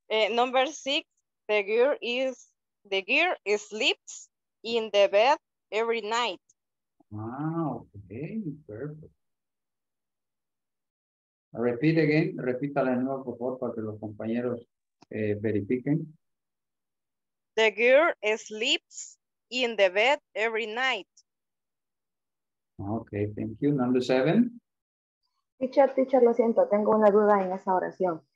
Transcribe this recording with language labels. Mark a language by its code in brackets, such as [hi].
[en] Number six, the girl sleeps in the bed every night. Wow, okay, perfect. Repeat again, [es] repítale de nuevo, por favor, para que los compañeros verifiquen. [en] The girl sleeps in the bed every night. Okay, thank you. Number seven. [es] Teacher, lo siento, tengo una duda en esa oración.